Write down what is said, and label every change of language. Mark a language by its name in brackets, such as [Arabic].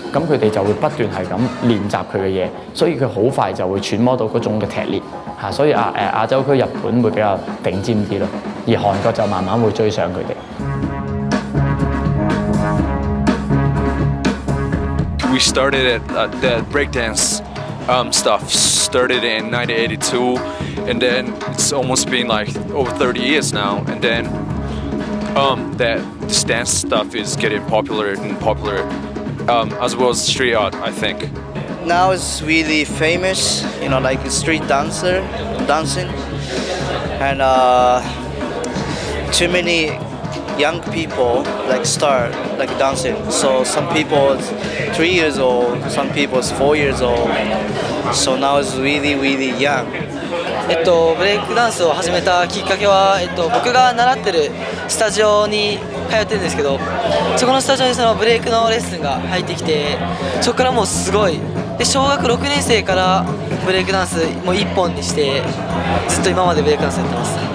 [Cantonese] 咁佢哋就會不斷係咁練習佢嘅嘢，所以佢好快就會揣摩到嗰種嘅踢裂。所以亞洲區日本會比較頂尖啲咯，而韓國就慢慢會追上佢哋。 [English] We started at the breakdance stuff started in 1982, and then it's almost been like over 30 years now. And then that this dance stuff is getting popular and popular, as well as street art, I think. Now it's really famous, you know, like street dancer, dancing. And too many young people like start like dancing. So some people are 3 years old, some people are 4 years old. So now it's really, really young. [Japanese] ブレイクダンスを始めたきっかけは、僕が習ってるスタジオに通ってるんですけど、そこのスタジオにそのブレイクのレッスンが入ってきて、そこからもうすごい。で、小学6年生からブレイクダンスもう1本にして、ずっと今までブレイクダンスやってます。